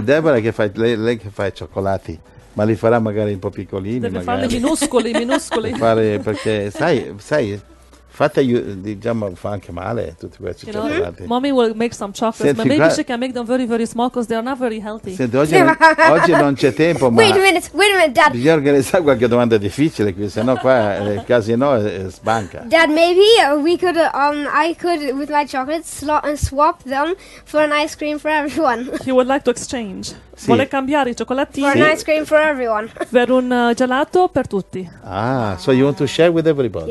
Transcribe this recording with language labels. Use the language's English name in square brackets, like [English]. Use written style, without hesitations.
[Italian] Deborah che fa, lei che fa i cioccolati, ma li farà magari un po' piccolini. Deve magari farli minuscoli, minuscoli. Fare, perché sai fate, diciamo, fa anche male tutti questi cioccolati. [English] Mommy will make some chocolates. Senti, but maybe she can make them very very small because they are not very healthy. [Italian] Senti, oggi non c'è tempo, ma [English] wait a minute dad, [Italian] bisogna organizzare qualche domanda difficile qui, sennò qua il casino è sbanca. [English] Dad, maybe we could I could with my chocolates slot and swap them for an ice cream for everyone. He would like to exchange. [Italian] Sì. Vuole cambiare i cioccolatini [English] for an ice cream for everyone. [Italian] Per un gelato per tutti. [English] Ah, so you want to share with everybody?